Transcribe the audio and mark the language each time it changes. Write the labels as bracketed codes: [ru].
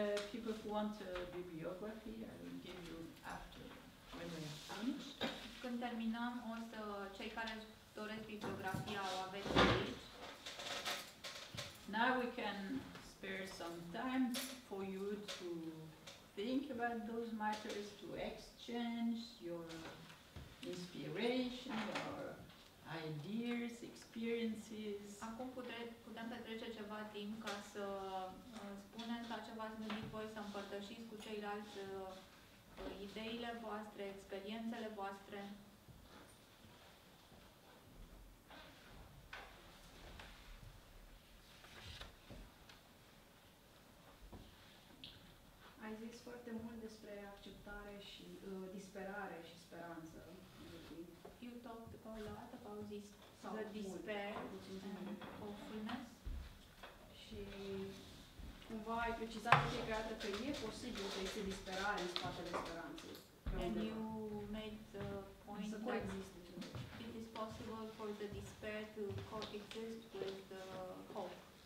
[en] People who want a bibliography, I will give you after when we are finished. [ro] Când terminăm, o să cei care doresc bibliografia o aveți aici. [en] Now we can spare some time for you to think about those matters, to exchange your inspiration, your ideas, experiences. [ro] Acum putem petrece ceva timp ca să spunem la ce v-ați gândit voi, să împărtășiți cu ceilalți ideile voastre, experiențele voastre. Ai zis foarte mult despre acceptare și disperare și speranță. [en] You talked a lot about this, the despair and hopefulness. [ro] Și cumva ai precizat de fiecare dată că e posibil să existe disperare în spatele speranței. [en] And you made the point [ro] să coexiste. [en] It is possible for the despair to coexist with the hope.